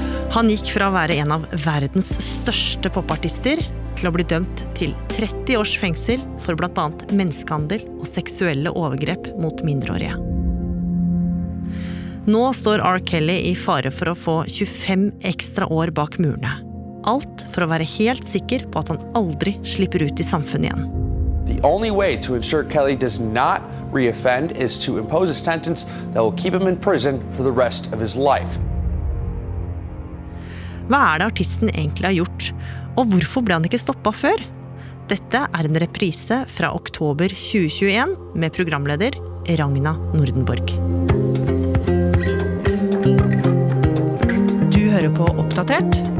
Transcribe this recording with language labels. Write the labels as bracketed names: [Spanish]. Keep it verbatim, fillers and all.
[Norwegian] Han gikk fra å være en av verdens største popartister til å bli dømt til tretti års fengsel for blant annet menneskehandel og seksuelle overgrep mot mindreårige. Nå står R. Kelly I fare for å få tjuefem ekstra år bak murene. Alt for å være helt sikker på at han aldri slipper ut I samfunnet igjen. [English] The only way to ensure Kelly does not reoffend is to impose a sentence that will keep him in prison for the rest of his life. [Norwegian] Hva er det artisten egentlig har gjort? Og hvorfor ble han ikke stoppet før? Dette er en reprise fra oktober tjue tjueen med programleder Ragna Nordenborg. Du hører på Oppdatert.